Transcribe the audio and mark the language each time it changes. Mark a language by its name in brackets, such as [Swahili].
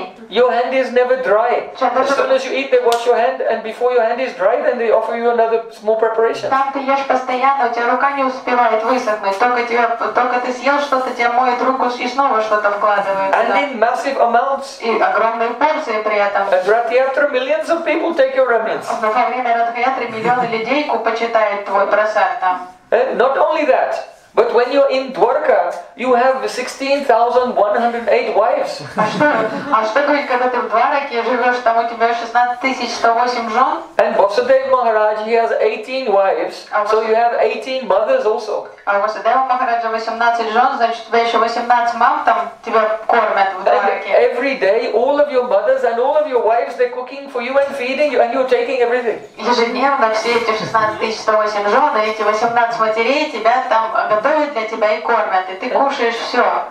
[English] Your hand is never dry. As soon as you eat, they wash your hand, and before your hand is dry, then they offer you another small preparation. [Russian] Там ты ешь постоянно, у тебя рука не успевает высохнуть. Только ты съел что-то, тебе моют руку и снова что-то вкладывают. [English] And in massive amounts. [Russian] И огромные порции при этом. [English] At Ratriyatra, millions of people take your remnants. [Russian] Во время Ратриятры миллионы людей почитают твой прасад там. [English] Not only that, but when you're in Dwarka, you have 16,108 wives. [Russian] А что говорит, когда ты в Двараке живешь, там у тебя 16,108 жен? [English] And Vasudev Maharaj, he has 18 wives, so you have 18 mothers also. [Russian] А Vasudev Maharaj 18 жен, значит, у тебя еще 18 мам, там тебя кормят в Двараке. [English] Every day, all of your mothers and all of your wives, they're cooking for you and feeding you, and you're taking everything. [Russian] Ежедневно все эти 16,108 жен, эти 18 матерей тебя там готовят для тебя и кормят, и ты кушаешь все.